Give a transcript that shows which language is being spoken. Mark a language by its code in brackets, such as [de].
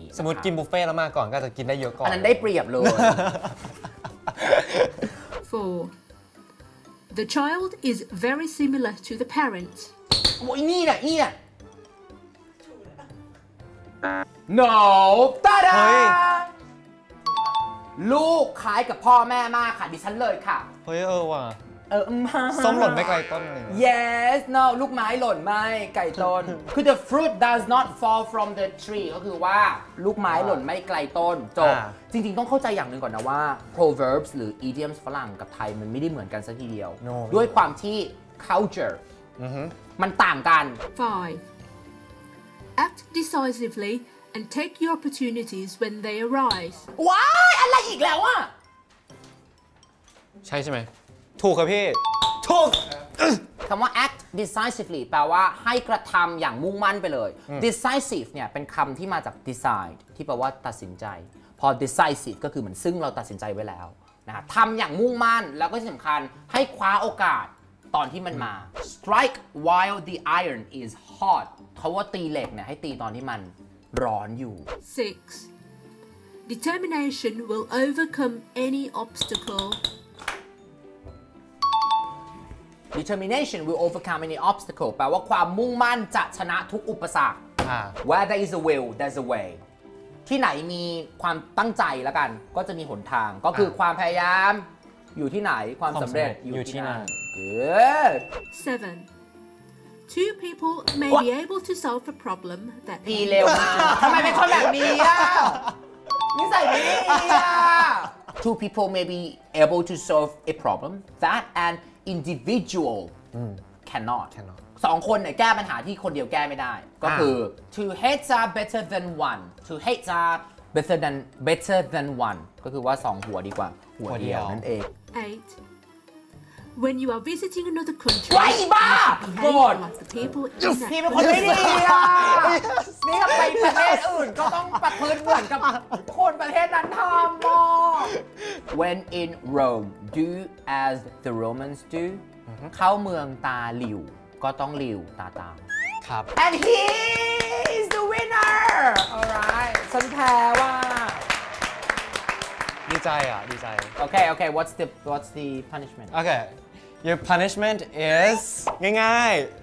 [th] สมมติกินบุฟเฟ่ต์แล้วมาก่อนก็จะกินได้เยอะก่อน อันนั้นได้เปรียบเลย [en] four the child is very similar to the parent [th] โอ้ยนี่แหละนี่แหละ [en] No! Ta-da! Hey. [th] ลูกคล้ายกับพ่อแม่มากค่ะดิฉันเลยค่ะ เฮ้ยเออว่ะ เออมา ส้มหล่นไม่ไกลต้นเลย [en] Yes! No! [th] ลูกไม้หล่นไม่ไกลต้นคือ [en] the fruit does not fall from the tree [th] ก็คือว่าลูกไม้หล่นไม่ไกลต้นจบจริงๆต้องเข้าใจอย่างนึงก่อนนะว่า proverbs หรือ idioms ฝรั่งกับไทยมันไม่ได้เหมือนกันซะทีเดียว [en] no, [th] ด้วยความที่ culture มันต่างกัน [en] Five. Act decisively and take your opportunities when they arise. [th] ว้ายอะไรอีกแล้วอ่ะ ใช่ไหมถูกครับพี่ ถูกคำว่า act decisively แปลว่าให้กระทำอย่างมุ่งมั่นไปเลย decisive เนี่ยเป็นคำที่มาจาก decide ที่แปลว่าตัดสินใจพอ decisive ก็คือเหมือนซึ่งเราตัดสินใจไว้แล้วนะทำอย่างมุ่งมั่นแล้วก็สำคัญให้คว้าโอกาสตอนที่มันมา [en] strike while the iron is hot [th] เขาว่าตีเหล็กเนี่ยให้ตีตอนที่มันร้อนอยู่ [en] 6. Determination will overcome any obstacle Determination will overcome any obstacle [th] แปลว่าความมุ่งมั่นจะชนะทุกอุปสรรค [en] Where there is a will there's a way [th] ที่ไหนมีความตั้งใจแล้วกันก็จะมีหนทางก็คือความพยายามอยู่ที่ไหนความสำเร็จ อยู่ที่นั่น [en] Good. 7. Two people may be able to solve a problem that [th] ดีเร็วทำไมเป็นคนแบบนี้อ่ะนิสัยดีอ่ะ [en] two people may be able to solve a problem that an individual cannot. [th] สองคนเนี่ยแก้ปัญหาที่คนเดียวแก้ไม่ได้ก็คือ [en] two heads are better than one [th] two heads are better than one ก็คือว่าสองหัวดีกว่า หัวเดียว นั่นเอง [en] eight when you are visiting another country [th] ไอ้บ้า โกรธ พี่เป็นคนไม่ดีอ่ะนี่ก็ไปประเทศอื่นก็ต้องประพฤติเหมือนกับคนประเทศนั้นทำบ่ [en] when in Rome do as the Romans do [th] เ ข้าเมืองตาหลิวก็ต้องหลิวตาตาม ครับ [en] and he is the winner alright [th] ฉันแพ้ว่า ดีใจอ่ะดีใจ [en] โอเคโอเค what's the punishment โอเค your punishment is [th] ง่ายง่าย